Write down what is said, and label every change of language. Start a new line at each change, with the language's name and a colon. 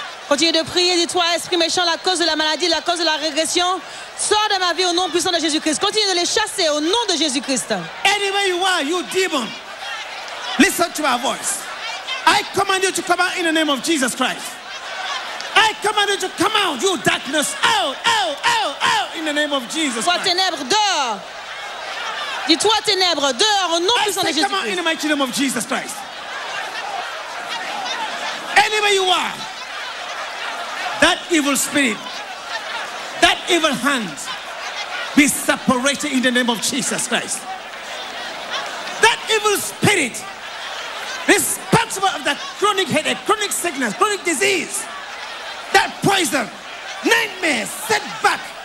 French: Continue de prier, dis-toi, esprit méchant, la cause de la maladie, la cause de la régression. Sors de ma vie au nom puissant de Jésus-Christ. Continue de les chasser au nom de Jésus-Christ.
English: Anywhere you are, you demon, listen to my voice. I command you to come out in the name of Jesus Christ. I command you to come out, you darkness, out, out, out, out, in the name of Jesus Christ.
French: Toi, ténèbres, dehors. Dis-toi, ténèbres, dehors, au nom puissant de Jésus-Christ.
English: Come out in the mighty name of Jesus Christ. Anywhere you are, that evil spirit, that evil hand, be separated in the name of Jesus Christ. That evil evil spirit responsible of that chronic headache, chronic sickness, chronic disease, that poison, nightmare, setback.